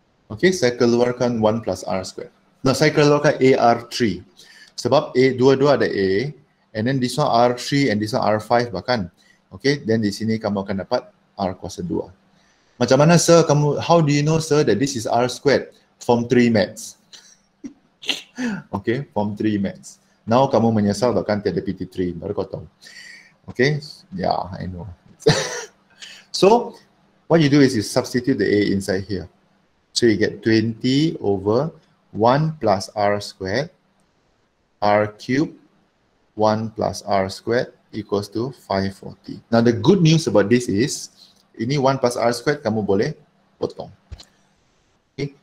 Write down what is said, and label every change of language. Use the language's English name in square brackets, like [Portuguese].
[Malay] Okay, saya keluarkan 1 plus R squared. Now, saya keluarkan AR3. Sebab A, dua-dua ada A, [English] and then this one R3 and this one R5 [Malay] bahkan. Okay, then di sini kamu akan dapat R kuasa 2. Macam mana, sir, kamu, [English] how do you know, sir, that this is R squared? Form 3 maths. Okay, form 3 maths. [Malay] Now kamu menyesal bahkan tiada PT3, baru kau tahu. [English] Okay, yeah, I know. So, what you do is you substitute the A inside here. So you get 20 over 1 plus R squared, R cubed, 1 plus R squared equals to 540. Now the good news about this is, [Malay] ini 1 plus R squared kamu boleh potong. [English] Okay.